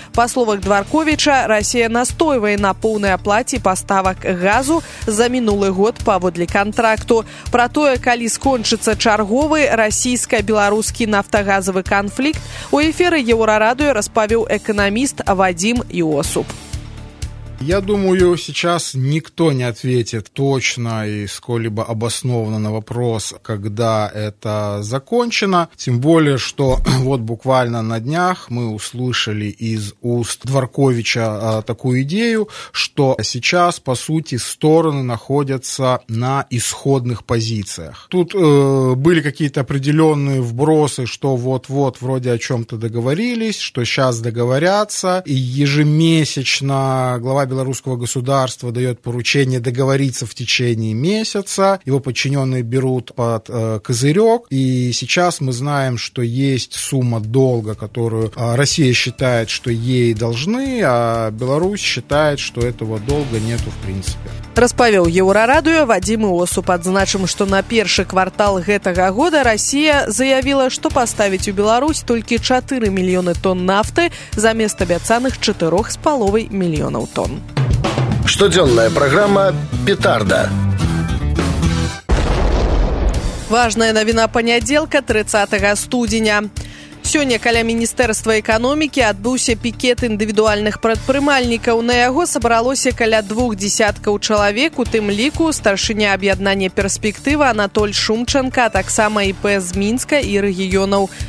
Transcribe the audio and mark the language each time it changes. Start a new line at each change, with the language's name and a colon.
Belarusian: Па словах Дварковіча, Расія настойвае на поўнай аплаце паставак газу за мінулы год паводле кантракту. Пра тое, калі скончыцца чарговы расійска-беларускі нафтагазавы канфлікт, у эфіры Еўрарадыё распавёў эканаміст Вадзім Іосуп.
Russian: Я думаю, сейчас никто не ответит точно и сколь-либо обоснованно на вопрос, когда это закончено. Тем более, что вот буквально на днях мы услышали из уст Дворковича такую идею, что сейчас, по сути, стороны находятся на исходных позициях. Тут были какие-то определенные вбросы, что вот-вот вроде о чем-то договорились, что сейчас договорятся, и ежемесячно глава белорусского государства дает поручение договориться в течение месяца, его подчиненные берут под козырек, и сейчас мы знаем, что есть сумма долга, которую Россия считает, что ей должны, а Беларусь считает, что этого долга нету в принципе.
Belarusian: Распавел Еўрарадыё Вадзім Іосуп. Адзначым, што на першы квартал гэтага года Расія заявіла, што паставіць у Беларусь толькі 4 мільёны тонн нафты замест абяцаных 4,5 мільёнаў тонн. Штодзённая праграма «Петарда». Важная навіна панядзелка 30 студзеня. Сёння каля Міністэрства эканомікі адбыўся пікет індывідуальных прадпрымальнікаў. На яго сабралося каля 20 чалавек, у тым ліку старшыня аб'яднання «Перспектыва» Анатоль Шумчанка, а таксама ІП з Мінска і рэгіёнаў.